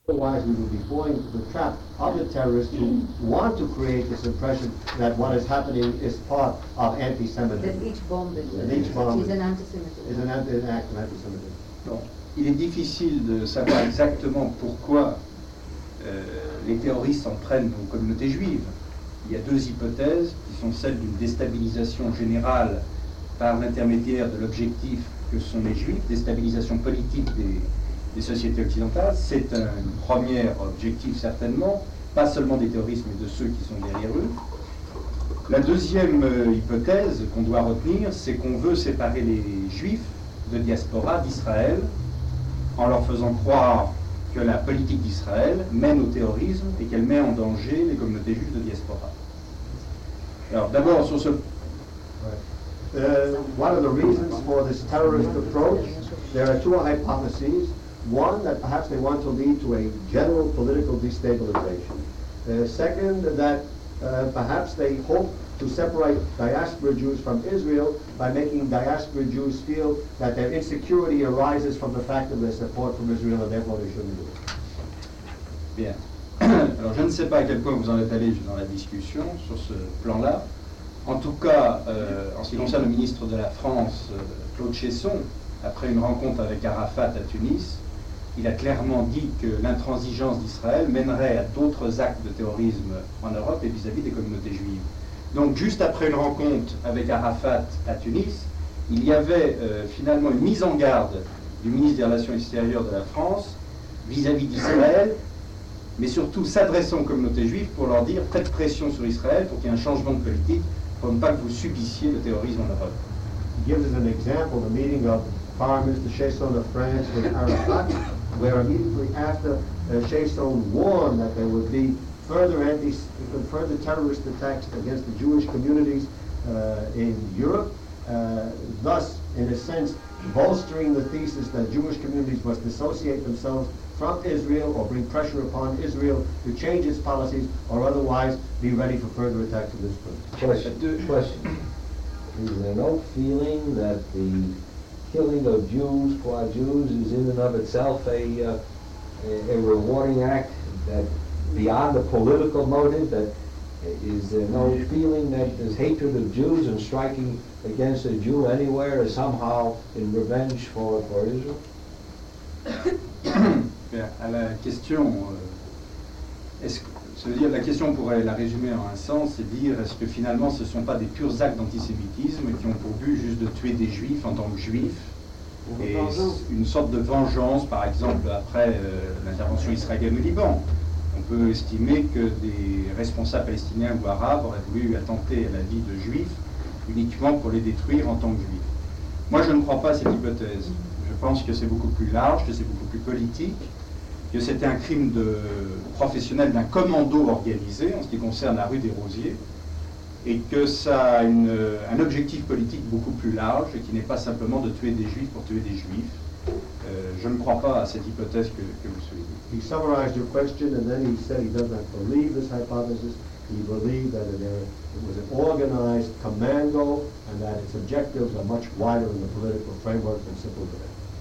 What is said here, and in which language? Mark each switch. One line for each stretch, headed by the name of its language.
English: Otherwise, we would be falling into the trap of the terrorists who want to create this impression that what is happening is part of anti-Semitism. That each bomb is, each bomb is an anti-Semitism. Is an act of anti-Semitism.
French: Il est difficile de savoir exactement pourquoi les terroristes s'en prennent aux communautés juives. Il y a deux hypothèses qui sont celles d'une déstabilisation générale par l'intermédiaire de l'objectif que sont les juifs, déstabilisation politique des sociétés occidentales. C'est un premier objectif certainement, pas seulement des terroristes mais de ceux qui sont derrière eux. La deuxième hypothèse qu'on doit retenir, c'est qu'on veut séparer les juifs de diaspora d'Israël en leur faisant croire que la politique d'Israël mène au terrorisme et qu'elle met en danger les communautés juives de diaspora. Alors d'abord sur ce...
English: One of the reasons for this terrorist approach, there are two hypotheses. One, that perhaps they want to lead to a general political destabilization. Second, that perhaps they hope to separate diaspora Jews from Israel by making diaspora Jews feel that their insecurity arises from the fact of their support from Israel and therefore they shouldn't do it.
French: Bien. Alors, je ne sais pas à quel point vous en êtes allé dans la discussion sur ce plan-là. En tout cas, en ce qui concerne le ministre de la France, Claude Cheysson, après une rencontre avec Arafat à Tunis, il a clairement dit que l'intransigeance d'Israël mènerait à d'autres actes de terrorisme en Europe et vis-à-vis des communautés juives. Donc juste après une rencontre avec Arafat à Tunis, il y avait finalement une mise en garde du ministre des Relations extérieures de la France vis-à-vis d'Israël, mais surtout s'adressant aux communautés juives pour leur dire « faites pression sur Israël pour qu'il y ait un changement de politique pour ne pas que vous subissiez le terrorisme en Europe ».
English: He gives us an example, the meeting of Foreign Minister Cheysson of France with Arafat, where immediately after Cheysson warned that there would be further terrorist attacks against the Jewish communities in Europe, thus, in a sense, bolstering the thesis that Jewish communities must dissociate themselves from Israel or bring pressure upon Israel to change its policies or otherwise be ready for further attacks on this front. Question. Is there no feeling that the killing of Jews, qua Jews, is in and of itself a rewarding act that beyond the political motive, that is there no feeling that there's hatred of Jews and striking against a Jew anywhere is somehow in revenge for Israel?
French: À la question, la question pourrait la résumer en un sens, c'est dire est-ce que finalement ce ne sont pas des purs actes d'antisémitisme qui ont pour but juste de tuer des juifs en tant que juifs, et une sorte de vengeance, par exemple, après l'intervention israélienne au Liban. On peut estimer que des responsables palestiniens ou arabes auraient voulu attenter à la vie de juifs uniquement pour les détruire en tant que juifs. Moi, je ne crois pas à cette hypothèse. Je pense que c'est beaucoup plus large, que c'est beaucoup plus politique, que c'était un crime de professionnel d'un commando organisé en ce qui concerne la rue des Rosiers, et que ça a un objectif politique beaucoup plus large, et qui n'est pas simplement de tuer des juifs pour tuer des juifs. Je ne crois pas à cette hypothèse que vous soulignez.
English: He summarized your question, and then he said he does not believe this hypothesis. He believed that it was an organized commando, and that its objectives are much wider in the political framework than simple to that.